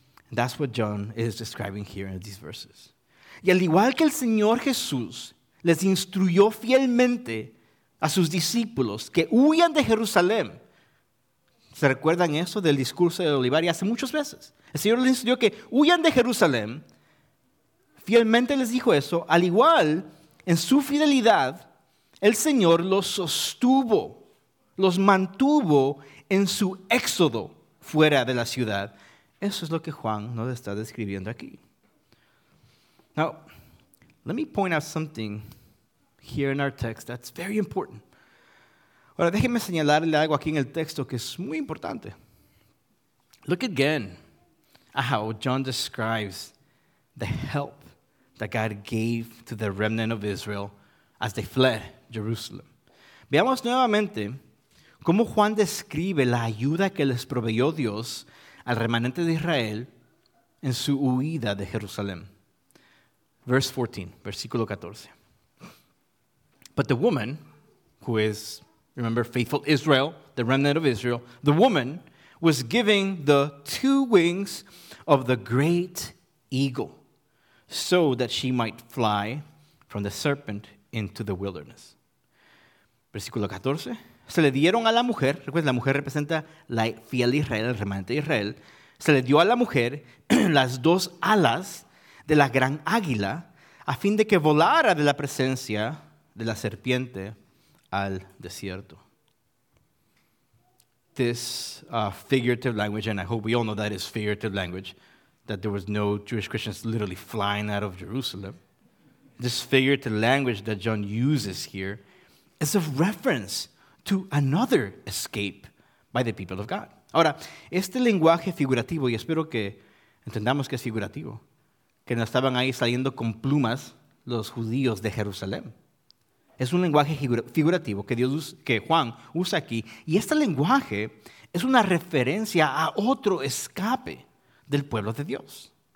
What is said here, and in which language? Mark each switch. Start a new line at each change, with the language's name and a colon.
English: And that's what John is describing here in these verses.
Spanish: Y al igual que el Señor Jesús les instruyó fielmente a sus discípulos que huyan de Jerusalén, ¿se recuerdan eso del discurso de Olivares hace muchas veces? El Señor les instruyó que huyan de Jerusalén. Fielmente les dijo eso. Al igual, en su fidelidad, el Señor los sostuvo, los mantuvo en su éxodo fuera de la ciudad. Eso es lo que Juan nos está describiendo aquí.
English: Now, let me point out something here in our text that's very important.
Spanish: Ahora, déjenme señalarle algo aquí en el texto que es muy importante.
English: Look again how John describes the help that God gave to the remnant of Israel as they fled Jerusalem.
Spanish: Veamos nuevamente cómo Juan describe la ayuda que les proveyó Dios al remanente de Israel en su huida de Jerusalén.
English: Verse 14,
Spanish: versículo 14.
English: But the woman, who is, remember, faithful Israel, the remnant of Israel, the woman was giving the two wings of the great eagle so that she might fly from the serpent into the wilderness.
Spanish: Versículo 14. Se le dieron a la mujer, recuerden, la mujer representa la fiel Israel, el remanente de Israel. Se le dio a la mujer las dos alas de la gran águila a fin de que volara de la presencia de la serpiente al desierto.
English: This figurative language, and I hope we all know that is figurative language, that there was no Jewish Christians literally flying out of Jerusalem. This figurative language that John uses here is a reference to another escape by the people of God.
Spanish: Ahora, este lenguaje figurativo, y espero que entendamos que es figurativo, que no estaban ahí saliendo con plumas los judíos de Jerusalén. Es un lenguaje figurativo que Dios, que Juan usa aquí. Y este lenguaje es una referencia a otro escape del pueblo de Dios.